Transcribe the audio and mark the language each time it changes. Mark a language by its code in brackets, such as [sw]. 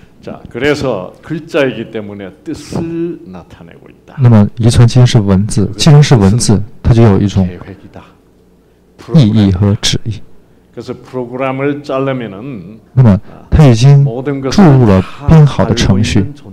[ko] 자, 그래서 글자이기 때문에 뜻을 나타내고 있다. [zh] 那么遗传基因是文字，既然是文字，它就有一种 意义和旨意。 [ko] 그래서 프로그램을 짤려면은 [zh] 那么它已经注入了编好的程序。